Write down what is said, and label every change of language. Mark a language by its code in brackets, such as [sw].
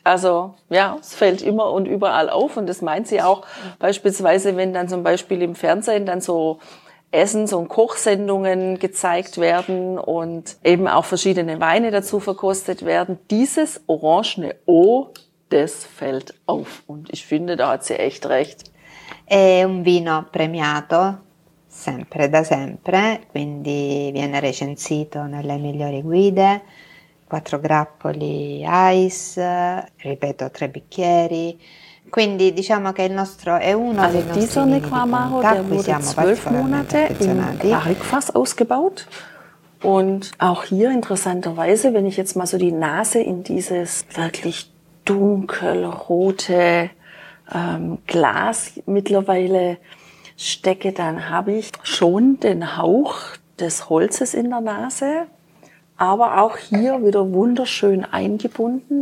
[de] Also ja, es fällt immer und überall auf und das meint sie auch beispielsweise, wenn dann zum Beispiel im Fernsehen dann so Essens- und Kochsendungen gezeigt werden und eben auch verschiedene Weine dazu verkostet werden. Dieses orangene O, das fällt auf. Und ich finde, da hat sie echt recht. [it] È un vino premiato, sempre da sempre, quindi viene recensito nelle migliori guide, 4 grappoli ice, ripeto, 3 bicchieri, Quindi diciamo che il nostro è uno also dei nostri vini qua di punta, qui siamo particolarmente affezionati. [de] In Barrique-Fass ausgebaut. Und auch hier interessanterweise, wenn ich jetzt mal so die Nase in dieses wirklich dunkelrote Glas mittlerweile stecke, dann habe ich schon den Hauch des Holzes in der Nase, aber auch hier wieder wunderschön eingebunden.